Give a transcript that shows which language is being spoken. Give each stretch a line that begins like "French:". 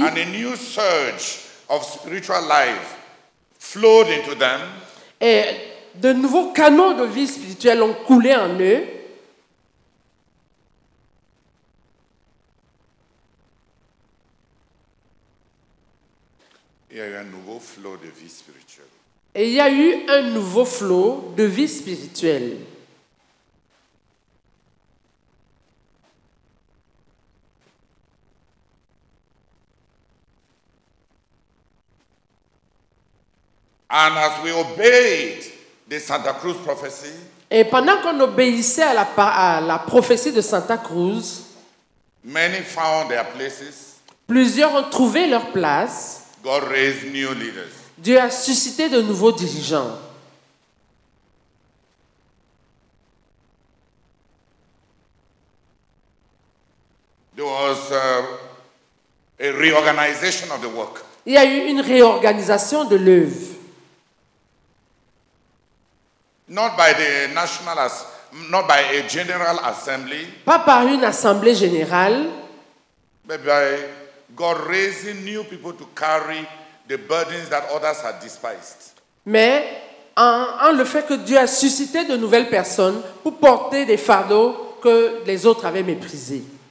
English: and a new surge of spiritual life flowed into them,
French: et de nouveaux canaux de vie spirituelle ont coulé en eux. Il y a eu un nouveau flot de vie spirituelle. Et il y a eu un nouveau flot de vie spirituelle.
English: And as we obeyed the Santa Cruz prophecy,
French: et pendant qu'on obéissait à la prophétie de Santa Cruz,
English: many found their places.
French: Plusieurs ont trouvé leur place.
English: God raised new leaders.
French: Dieu a suscité de nouveaux dirigeants.
English: There was a reorganization of the work.
French: Il y a eu une réorganisation de l'œuvre.
English: Not by a general assembly.
French: Pas par une assemblée générale.
English: But by God raising new people to carry the burdens that others had despised.
French: Mais en le fait que Dieu a suscité de nouvelles personnes pour porter des fardeaux que les autres avaient méprisés.